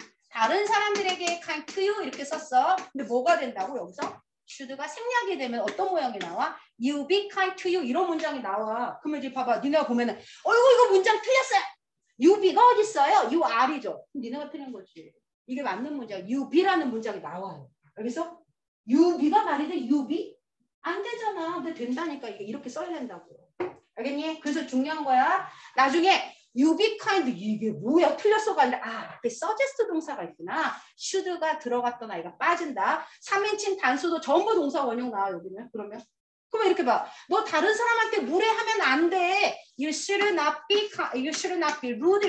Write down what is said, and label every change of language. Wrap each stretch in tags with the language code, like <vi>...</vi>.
<ko>다른 사람들에게</ko> <en>kind to you.</en> <ko>이렇게 썼어. 근데 뭐가 된다고 여기서? should가 생략이 되면 어떤 모양이 나와?</ko> <en>You be kind to you.</en> <ko>이런 문장이 나와. 그러면 이제 봐봐. 니네가 보면은, 어이구, 이거 문장 틀렸어요.</ko> <en>You be</en> <ko>가 어딨어요?</ko> <en>You are</en> <ko>이죠. 니네가 틀린 거지. 이게 맞는 문장,</ko> <en>you be</en> <ko>라는 문장이 나와요. 여기서 you be가 말이 돼, you be? 안 되잖아. 근데 된다니까. 이게 이렇게 써야 된다고. 알겠니? 그래서 중요한 거야. 나중에</ko> <en>you be kind,</en> <ko>이게 뭐야? 틀렸어. 근데 아, 그 suggest 동사가 있구나. should가 들어갔던 아이가 빠진다. 3인칭 단수도 전부 동사 원형 나와, 여기는. 그러면? 그러면 이렇게 봐. 너 다른 사람한테 무례하면 안 돼.</ko> <en>You should not be, you should not be rude.</en>